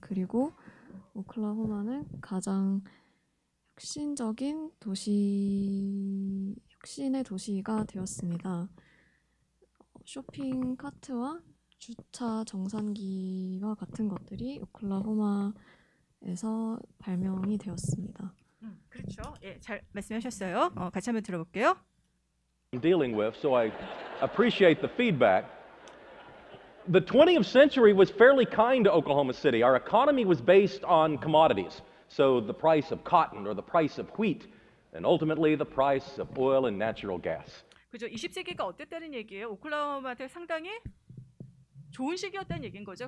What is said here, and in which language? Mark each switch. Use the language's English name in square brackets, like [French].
[Korean] 그리고 오클라호마는 가장 혁신적인 도시, 혁신의 도시가 되었습니다. 쇼핑 카트와 주차 정산기와 같은 것들이 오클라호마에서 발명이 되었습니다. 그렇죠. 예, 잘 말씀하셨어요. 같이 한번 들어볼게요. [English] I'm dealing with, so I appreciate the feedback. The 20th century was fairly kind to Oklahoma City. Our economy was based on commodities. So the price of cotton or the price of wheat and ultimately the price of oil and natural gas. [Korean] 그죠? 20세기가 어땠다는 얘기예요. 오클라호마한테 상당히 좋은 시기였다는 얘긴 거죠.